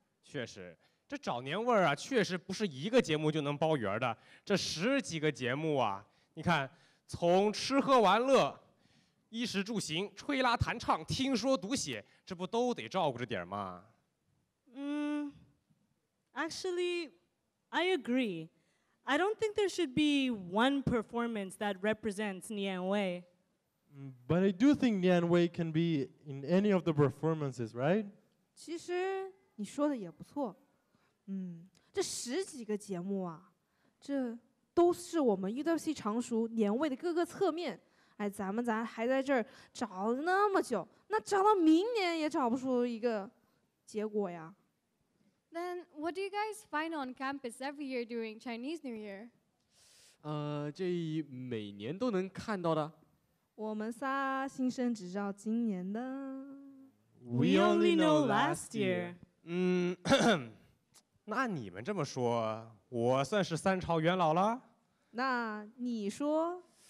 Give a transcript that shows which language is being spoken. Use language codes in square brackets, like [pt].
[zh] 确实，这找年味儿啊，确实不是一个节目就能包圆的。这十几个节目啊，你看，从吃喝玩乐、衣食住行、吹拉弹唱、听说读写，这不都得照顾着点吗？ [en] Actually, I agree. I don't think there should be one performance that represents Nian Wei. But I do think Nian Wei can be in any of the performances, right? [zh] 其实你说的也不错。这十几个节目啊，这都是我们 UWC 常熟Nian Wei的各个侧面。哎，咱还在这儿找了那么久，那找到明年也找不出一个结果呀。 [en] Then what do you guys find on campus every year during Chinese New Year? [zh] 这每年都能看到的。我们仨新生只知道今年的。 [en] We only know last year. [zh] 那你们这么说，我算是三朝元老了？那你说？